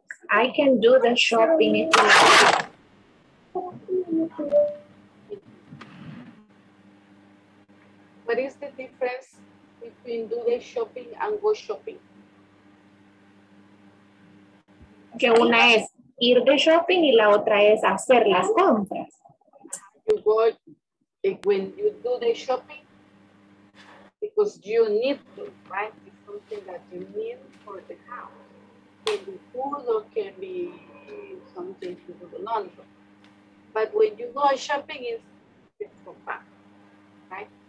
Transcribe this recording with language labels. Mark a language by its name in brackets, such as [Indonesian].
[English] I can do the shopping. Number 10. Mm-hmm. What is the difference between do the shopping and go shopping? [Spanish] Que una es ir de shopping y la otra es hacer las compras. [English] You go, when you do the shopping, because you need to, right? It's something that you need for the house. Can be food or can be something to do the laundry. But when you go shopping, it's for fun, right?